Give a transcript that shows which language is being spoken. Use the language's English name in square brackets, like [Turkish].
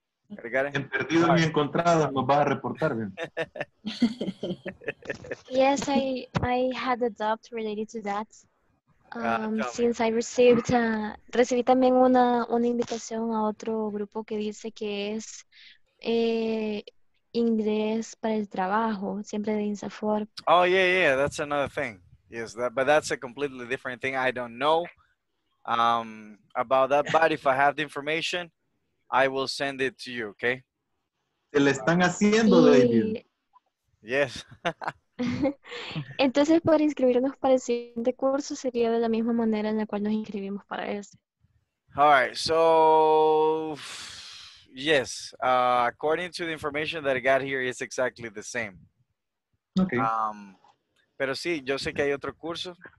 [Spanish] En perdido y encontrado nos vas a reportar, bien. [English] Yes, I had a doubt related to that. Since I received [Spanish] recibí también una invitación a otro grupo que dice que es inglés para el trabajo, siempre de INSAFOR. [English] Oh, yeah, that's another thing. Yes, but that's a completely different thing. I don't know about that, but if I have the information, I will send it to you, okay? [Spanish] Se le están haciendo, David. [English] Yes. [Spanish] Entonces, por inscribirnos para el siguiente curso sería de la misma manera en la cual nos inscribimos para este. [English] All right, so... Yes, according to the information that I got here, it's exactly the same. Okay. [Spanish] Pero sí, yo sé que hay otro curso.